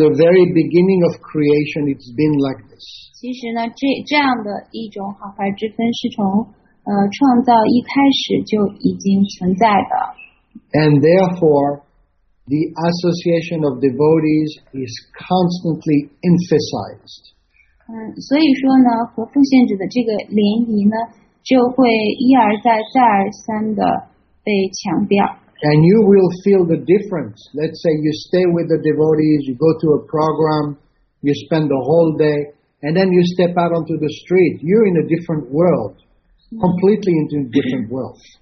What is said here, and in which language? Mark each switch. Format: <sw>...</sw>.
<en>the very beginning of creation, it's been like this.</en> <zh>其实呢，这样的一种好坏之分是从创造一开始就已经存在的。</zh> <en>And therefore, the association of devotees is constantly emphasized.</en> <zh>所以说呢，和奉献者的这个联谊呢，就会一而再、再而三的被强调。</zh> <en>And you will feel the difference. Let's say you stay with the devotees, you go to a program, you spend the whole day. And then you step out onto the street, you're in a different world, completely into a different world.</en>